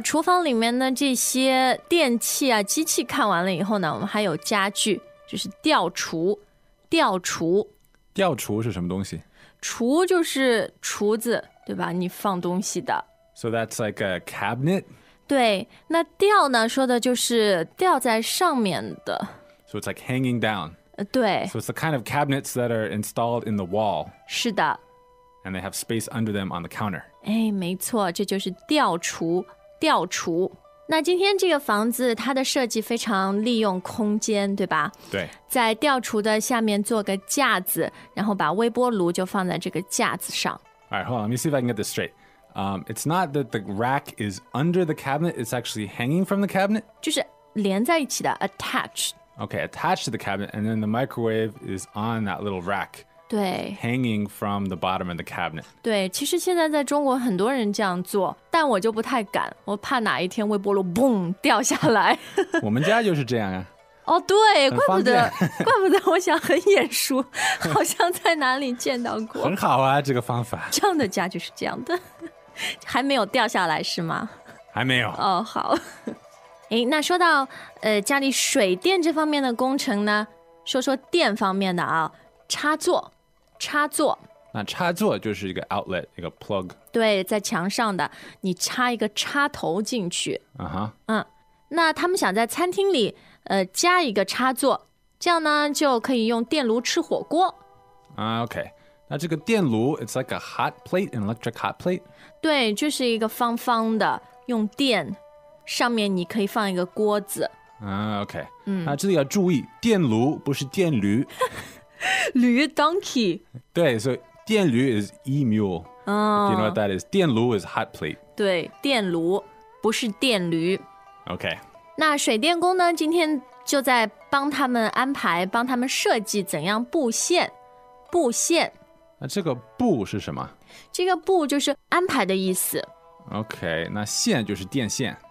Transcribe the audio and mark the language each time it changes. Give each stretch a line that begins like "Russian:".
Chinese: 厨房里面的这些电器啊机器看完了以后呢，我们还有家具，就是吊厨。吊厨，吊厨是什么东西？厨就是厨子，对吧？你放东西的。
English: So that's like a cabinet.
Chinese: 对，那吊呢说的就是吊在上面的。
English: So it's like hanging down.
Chinese: 对。
English: So it's the kind of cabinets that are installed in the wall.
Chinese: 是的。
English: And they have space under them on the counter.
Chinese: 哎，没错，这就是吊厨，吊厨。那今天这个房子它的设计非常利用空间，对吧？对。在吊厨的下面做个架子，然后把微波炉就放在这个架子上。
English: All right, hold on, let me see if I can get this straight. It's not that the rack is under the cabinet, it's actually hanging from the cabinet?
Chinese: 就是连在一起的 attached.
English: Okay, attached to the cabinet, and then the microwave is on that little rack.
Chinese: 对。
English: Hanging from the bottom of the cabinet.
Chinese: 对，其实现在在中国很多人这样做，但我就不太敢，我怕哪一天微波炉嘣掉下来。我们家就是这样啊。哦，对，怪不得，怪不得我想很眼熟，好像在哪里见到过。很好啊，这个方法。这样的家就是这样的。还没有掉下来是吗？还没有。哦，好。诶，那说到家里水电这方面的工程呢，说说电方面的啊，插座，插座。那插座就是一个 outlet, 一个 plug。对，在墙上的，你插一个插头进去。啊哈。嗯，那他们想在餐厅里加一个插座，这样呢就可以用电炉吃火锅。
English: OK,
Chinese: 那这个电炉
English: it's like a hot plate, an electric hot plate?
Chinese: 对，就是一个方方的，用电。上面你可以放一个锅子。 OK, 那这里要注意，电炉不是电驴。驴 donkey。对，所以电驴
English: is e-mule. If you know what that is, 电炉 is hot plate.
Chinese: 对，电炉不是电驴。
English: OK,
Chinese: 那水电工呢，今天就在帮他们安排，帮他们设计怎样布线。布线。那这个布是什么？这个布就是安排的意思。 OK, 那线就是电线。